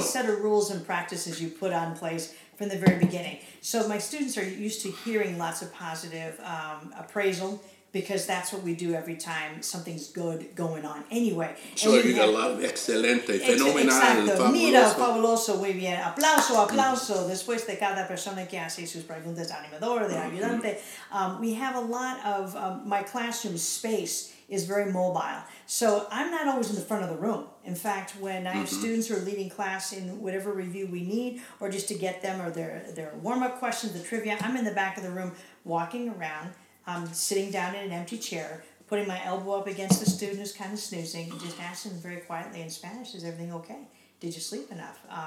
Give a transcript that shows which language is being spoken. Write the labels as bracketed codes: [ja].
[en] a set of rules and practices you put in place from the very beginning. So my students are used to hearing lots of positive appraisal because that's what we do every time something's good going on anyway. So you got a lot of [es] excelente, fenomenal, exacto. Fabuloso. Mira, fabuloso, muy bien. Aplauso, aplauso. Mm-hmm. Después de cada persona que hace sus preguntas de animador, de ayudante. [en] Mm-hmm. We have a lot of my classroom space is very mobile. So I'm not always in the front of the room. In fact, when I have mm-hmm. students who are leading class in whatever review we need, or just to get them or their warm-up questions, the trivia, I'm in the back of the room walking around. I'm sitting down in an empty chair, putting my elbow up against the student who's kind of snoozing, and just asking very quietly in Spanish, is everything okay? Did you sleep enough?